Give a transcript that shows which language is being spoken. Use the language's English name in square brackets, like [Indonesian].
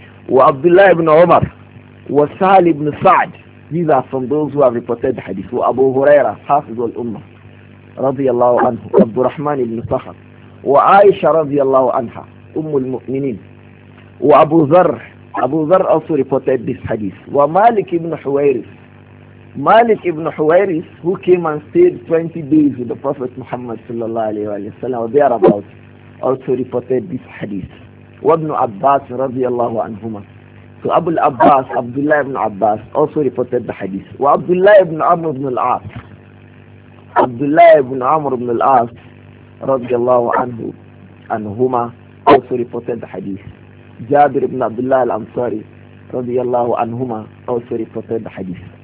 [Arabic] وعبد الله بن عمر وسهل بن سعد. [English] These are from those who have reported the hadith. [Arabic] وابو هريرة حافظ الأمة رضي الله عنه. عبد الرحمن بن صخر وعائشة رضي الله عنها أم المؤمنين. [English] وابو ذر, أبو ذر also reported this hadith. ومالك بن حويرث, مالك بن حويرث who came and stayed 20 days with the Prophet Muhammad صلى الله عليه وسلم thereabout, also reported this hadith. [Arabic] وابن عباس رضي الله عنهما. [English] So Abu al-Abbas, Abdullah ibn Abbas, also reported the hadith. وعبد الله ibn Amr ibn al-As, Abdullah ibn Amr ibn al-As رضي الله عنهما, also reported the hadith. جابر ibn Abdullah al-Ansari رضي الله عنهما, also reported the hadith.